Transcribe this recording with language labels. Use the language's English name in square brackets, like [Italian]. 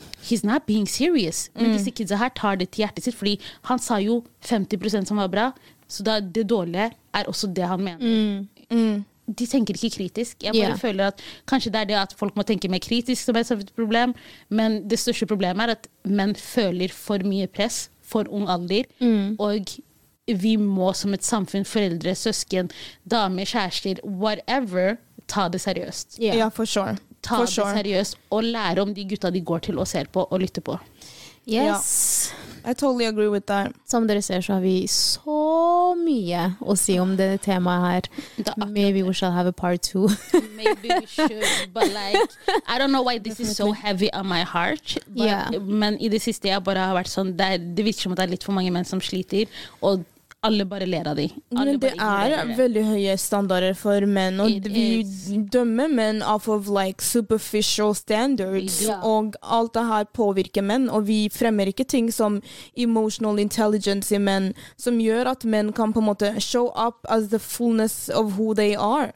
[English] he's not being serious [Norwegian] men disse kidsa her tar det til hjertet sitt fordi han sa jo 50% som var bra så da det dårlige også det han mener de tenker ikke kritisk jeg bare føler at kanskje det det at folk må tenke mer kritisk som et problem men det største problemet at menn føler for mye press for ung alder og vi må som et samfunn foreldre, søsken, damer, kjærester whatever, ta det seriøst [English] for sure. [Norwegian] Det seriøst og lære om de gutta de går til og ser på og lytter på [English] yes I totally agree with that. [Norwegian] Som dere ser så har vi så mye å si om det temaet her. [English] Maybe we shall have a part two. Maybe we should, but like, I don't know why this Definitely. Is so heavy on my heart. But, yeah. [Norwegian] Men I det siste jeg bare har vært sånn, det virker som at det litt for mange menn som sliter, og alle bare ler av de. Alle men det veldig høye standarder for menn, og vi dømmer menn [English] off of like superficial standards, [Norwegian] og alt det her påvirker menn, og vi fremmer ikke ting som emotional intelligence I menn, som gjør at menn kan på en måte [English] show up as the fullness of who they are.